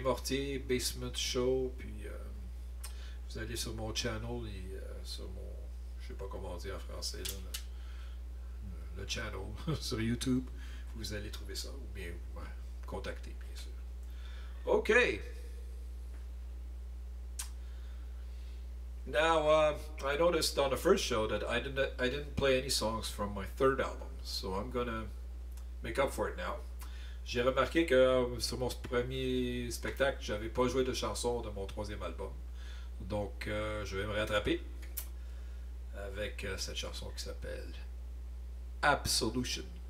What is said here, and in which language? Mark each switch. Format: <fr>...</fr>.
<fr>Mortier, Basement Show, puis vous allez sur mon channel et sur mon, je sais pas comment dire en français, là, le channel sur YouTube, vous allez trouver ça, ou bien ouais, contacter.</fr> <en>Okay, now I noticed on the first show that I didn't play any songs from my third album, so I'm gonna make up for it now.</en> <fr>J'ai remarqué que sur mon premier spectacle, j'avais pas joué de chansons de mon troisième album, donc je vais me rattraper avec cette chanson qui s'appelle Absolution.</fr>